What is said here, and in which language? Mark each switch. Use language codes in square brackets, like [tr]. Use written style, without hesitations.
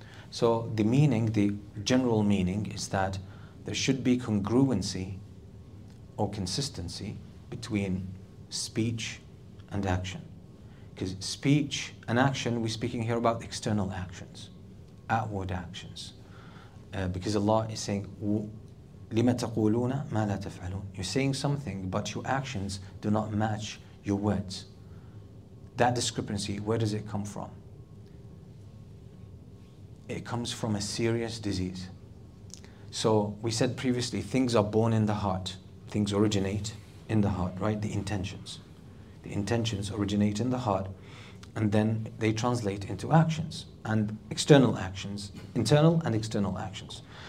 [en] So the meaning, the general meaning, is that there should be congruency or consistency between speech and action. Because speech and action, we're speaking here about external actions, outward actions. Because Allah is saying, [ar] لِمَ تَقُولُونَ مَا لَا تَفْعَلُونَ. [en] You're saying something, but your actions do not match your words. That discrepancy, where does it come from? It comes from a serious disease. So we said previously, things are born in the heart. Things originate in the heart, right? The intentions. The intentions originate in the heart, and then they translate into actions and external actions, internal and external actions.